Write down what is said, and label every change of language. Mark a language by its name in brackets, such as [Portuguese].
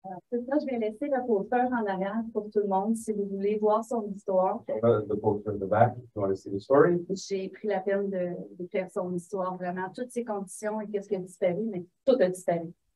[French] C'est ça, je vais laisser le poster en arrière pour tout le monde si vous voulez voir son histoire. [English] The poster in the back, if you want to see the story. [French] J'ai pris la peine de faire son histoire, vraiment toutes ses conditions et qu'est-ce qui a disparu, mais tout a disparu.